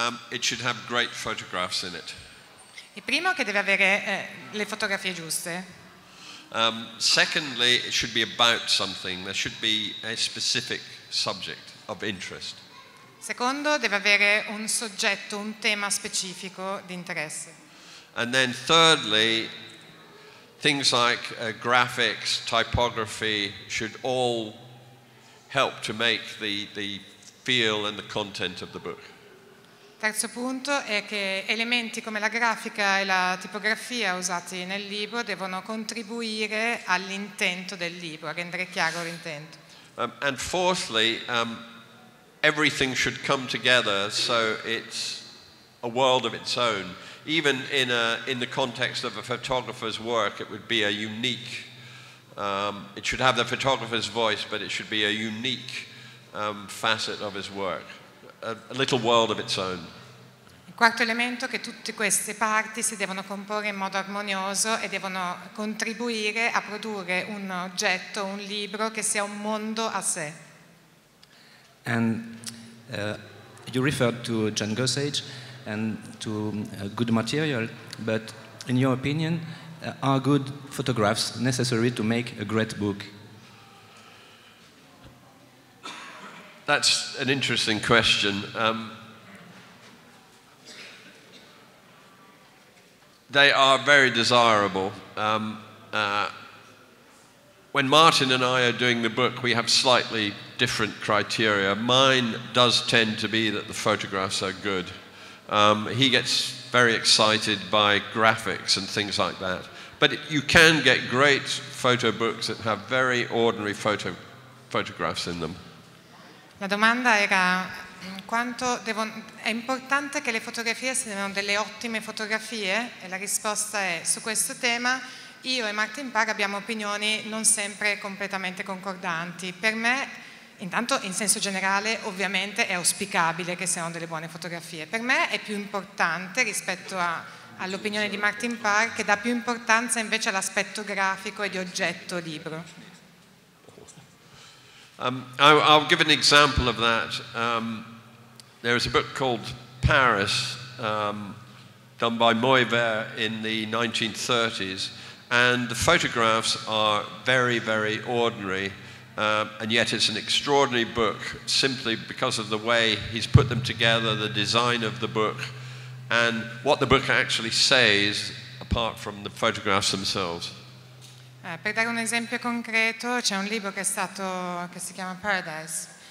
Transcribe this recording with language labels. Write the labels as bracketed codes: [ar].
[en] It should have great photographs in it. [it] Il primo è che deve avere le fotografie giuste. [en] Secondly, it should be about something. There should be a specific subject of interest. [it] Secondo, deve avere un soggetto, un tema specifico di interesse. [en] And then thirdly, things like graphics, typography should all help to make the feel and the content of the book. [it] Terzo punto è che elementi come la grafica e la tipografia usati nel libro devono contribuire all'intento del libro, a rendere chiaro l'intento. [en] And fourthly, everything should come together so it's a world of its own. Even in the context of a photographer's work, it would be a unique, it should have the photographer's voice, but it should be a unique facet of his work, a little world of its own. [it] Il quarto elemento è che tutte queste parti si devono comporre in modo armonioso e devono contribuire a produrre un oggetto, un libro che sia un mondo a sé. [en] And you referred to John Gossage and to good material, but in your opinion, are good photographs necessary to make a great book? That's an interesting question. They are very desirable. When Martin and I are doing the book, we have slightly different criteria. Mine does tend to be that the photographs are good. He gets very excited by graphics and things like that. But you can get great photo books that have very ordinary photographs in them. [it] La domanda era quanto devono, è importante che le fotografie siano delle ottime fotografie? E la risposta è, su questo tema io e Martin Parr abbiamo opinioni non sempre completamente concordanti. Per me, intanto in senso generale, ovviamente è auspicabile che siano delle buone fotografie. Per me è più importante rispetto a, all'opinione di Martin Parr, che dà più importanza invece all'aspetto grafico e di oggetto libro. [en] I'll give an example of that. There is a book called Paris, done by Moivert in the 1930s, and the photographs are very, very ordinary, and yet it's an extraordinary book simply because of the way he's put them together, the design of the book, and what the book actually says apart from the photographs themselves. [it] Per dare un esempio concreto, c'è un libro che è stato che si chiama Paradise.